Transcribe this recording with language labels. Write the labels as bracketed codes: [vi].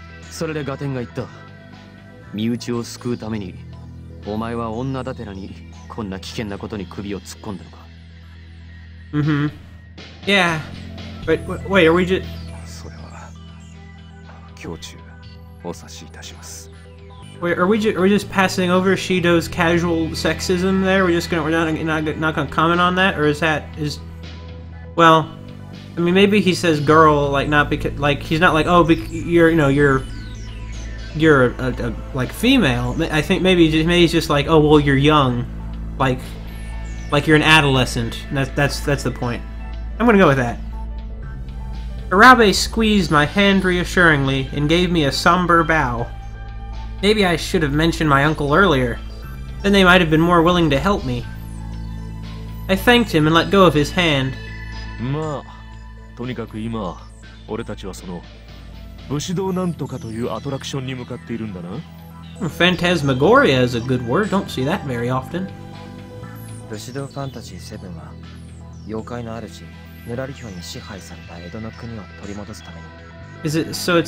[ja] それでガテンが言った。身内を救うために、お前は女だてらにこんな危険なことに首を突っ込んだのか。 [en] Mm-hmm. Yeah. But wait, are we just... [ja] それは、胸中、お察しいたします。 [en] Wait, are we just passing over Shido's casual sexism there? We're not gonna comment on that? Or is that, well, I mean, maybe he says girl, like, not because, like, he's not like, oh, you're female. I think maybe he's just like, oh, well, you're young. Like you're an adolescent. That's the point. I'm gonna go with that. Arabe squeezed my hand reassuringly and gave me a somber bow. Maybe I should have mentioned my uncle earlier. Then they might have been more willing to help me. I thanked him and let go of his hand. [ja] まあ、とにかく今、俺たちはその、武士道なんとかというアトラクションに向かっているんだな。 [en] Phantasmagoria is a good word. Don't see that very often. [ja] 武士道ファンタジー7は、妖怪の主、ヌラルヒョンに支配された江戸の国を取り戻すために。